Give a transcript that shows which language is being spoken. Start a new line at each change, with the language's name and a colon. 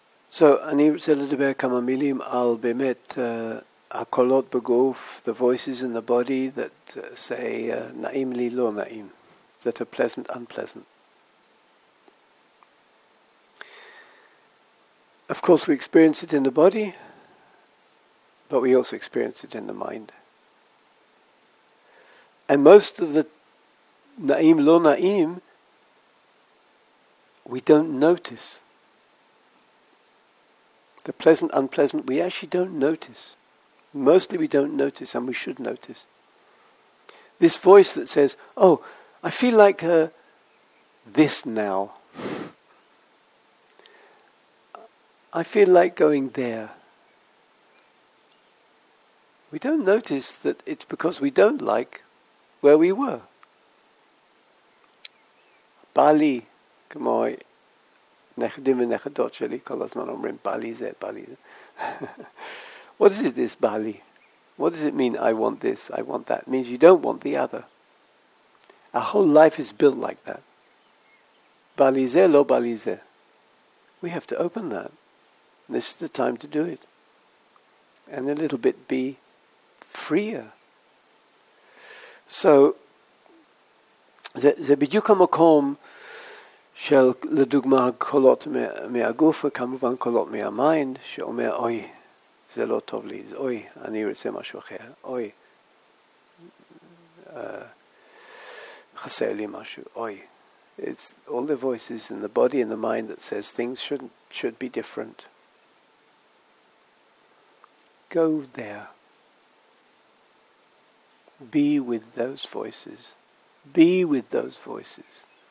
English: So,
Hebrew: אני רוצה לדבר כמה מילים על באמת הקולות בגוף,
English: the voices in the body that say
Hebrew: נעים לי, לא נעים,
English: that are pleasant, unpleasant. Of course we experience it in the body, but we also experience it in the mind. And most of the
Hebrew: נעים, לא נעים,
English: we don't notice. The pleasant, unpleasant, we actually don't notice. Mostly we don't notice, and we should notice. This voice that says, oh, I feel like this now. I feel like going there. We don't notice that it's because we don't like where we were.
Hebrew: Bali, כמו נכדים ונכדות שלי, כל הזמן אומרים, Bali זה, Bali זה.
English: What is it, this Bali? What does it mean, I want this, I want that? It means you don't want the other. Our whole life is built like that.
Hebrew: Bali ze, lo bali ze.
English: We have to open that. This is the time to do it. And a little bit be freer.
Hebrew: So, זה בדיוק המקום של לדוגמה קולות מהגוף וכמובן קולות מהמיינד שאומר, אוי, זה לא טוב לי, זה אוי, אני רוצה משהו אחר, אוי, חסר לי משהו, אוי.
English: It's all the voices in the body and the mind that says things should be different. Go there. Be with those voices. Be with those voices.